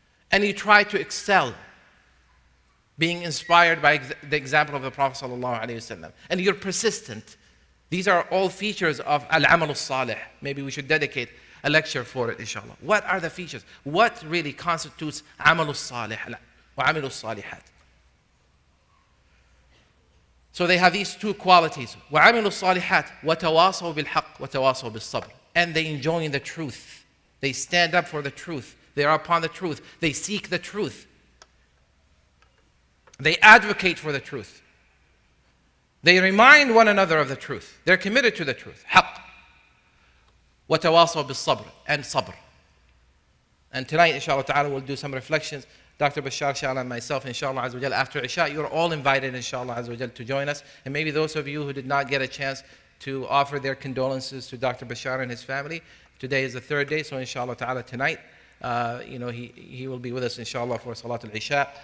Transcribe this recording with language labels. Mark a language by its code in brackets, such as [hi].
[en] And you try to excel, being inspired by the example of the Prophet sallallahu alayhi wa sallam. And you're persistent. These are all features of al-amal al-salih. Maybe we should dedicate a lecture for it, inshallah. What are the features? What really constitutes [ar] عمل الصالح وعمل الصالحات? [en] So they have these two qualities. [ar] وعمل الصالحات وتواصوا بالحق وتواصوا بالصبر. [en] And they enjoin the truth. They stand up for the truth. They are upon the truth. They seek the truth. They advocate for the truth. They remind one another of the truth. They're committed to the truth. [ar] حق. وَتَوَاصَوْا بِالصَّبْرِ and صَبْرِ. [en] And tonight, inshallah ta'ala, we'll do some reflections. Dr. Bashar, inshallah, and myself, inshallah, azza wa jalla, after Isha, you're all invited, inshallah, azza wa jalla, to join us. And maybe those of you who did not get a chance to offer their condolences to Dr. Bashar and his family, today is the third day, so inshallah ta'ala, tonight, he will be with us, inshallah, for Salat al-Isha.